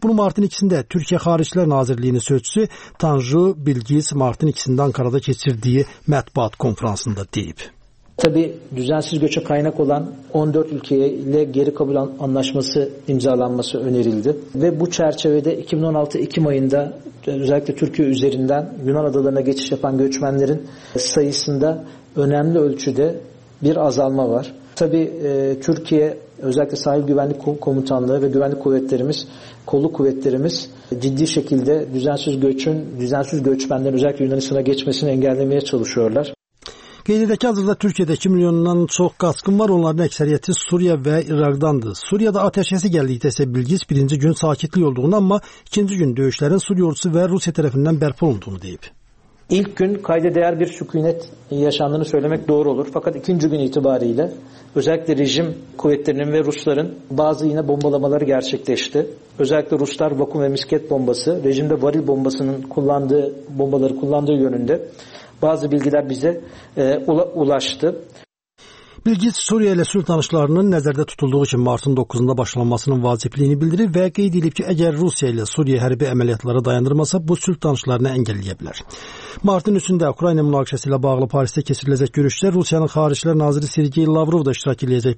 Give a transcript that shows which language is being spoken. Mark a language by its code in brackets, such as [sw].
[az] Bunu martın 2-də Türkiyə Xarici Nazirliyinin sözçüsü Tanju Bilgis martın 2-də Ankara'da keçirdiyi mətbuat konfransında deyib. [tr] Tabii düzensiz göçe kaynak olan 14 ülkeyle geri kabul anlaşması imzalanması önerildi. Ve bu çerçevede 2016 Ekim ayında özellikle Türkiye üzerinden Yunan adalarına geçiş yapan göçmenlerin sayısında önemli ölçüde bir azalma var. Tabii Türkiye özellikle Sahil Güvenlik Komutanlığı ve Güvenlik Kuvvetlerimiz, Kolu Kuvvetlerimiz ciddi şekilde düzensiz göçmenlerin özellikle Yunanistan'a geçmesini engellemeye çalışıyorlar. [az] Qeyd edək ki, hazırda Türkiyədə 2 milyondan çox qaçqın var, onların əksəriyyəti Suriya və İraqdandır. Suriyada atəşkəsi gəldikdə isə Bilgis birinci gün sakitlik olduğunu, amma ikinci gün döyüşlərin Suriya ordusu və Rusiya tərəfindən bərpa olunduğunu deyib. [tr] İlk gün kayda değer bir sükunet yaşandığını söylemek doğru olur. Fakat ikinci gün itibariyle özellikle rejim kuvvetlerinin ve Rusların bazı yine bombalamaları gerçekleşti. Özellikle Ruslar vakum ve misket bombası, rejimde varil bombasının kullandığı yönünde bazı bilgiler bize ulaştı. [az] Bilgis Suriyə ilə sülh danışıqlarının nəzərdə tutulduğu kimi martın 9-da başlanmasının vacibliyini bildirib və qeyd edib ki, əgər Rusiya ilə Suriyə hərbi əməliyyatları dayandırmasa, bu sülh danışıqlarını əngəlləyə bilər. Martın 3-də Ukrayna münaqişəsi ilə bağlı Parisdə keçiriləcək görüşdə Rusiyanın Xarici İşlər naziri Sergey Lavrov da iştirak edəcək.